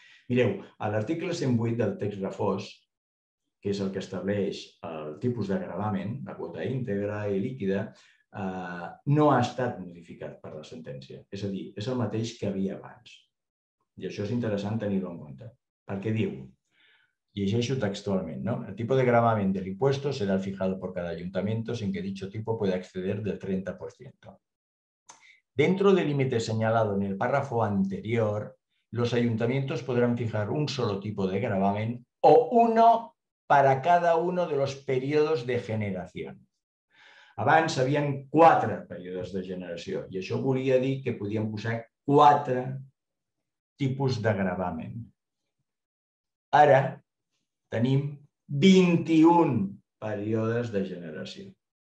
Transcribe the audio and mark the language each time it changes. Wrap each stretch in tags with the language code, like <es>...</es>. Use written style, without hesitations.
<ca>Mireu, a l'article 108 del text refós, que és el que estableix el tipus de gravamen, la quota íntegra i líquida, no ha estat modificat per la sentència. És a dir, és el mateix que havia abans. I això és interessant tenir-ho en compte. Perquè diu, llegeixo textualment, ¿no?</ca> <es>El tipo de gravamen del impuesto será fijado por cada ayuntamiento sin que dicho tipo pueda exceder del 30%. Dentro del límite señalado en el párrafo anterior, los ayuntamientos podrán fijar un solo tipo de gravamen o uno para cada uno de los periodos de generación.</es> <ca>Abans havien 4 períodes de generació i això volia dir que podien posar 4 tipus de gravamen. Ara tenim 21 períodes de generació.</ca>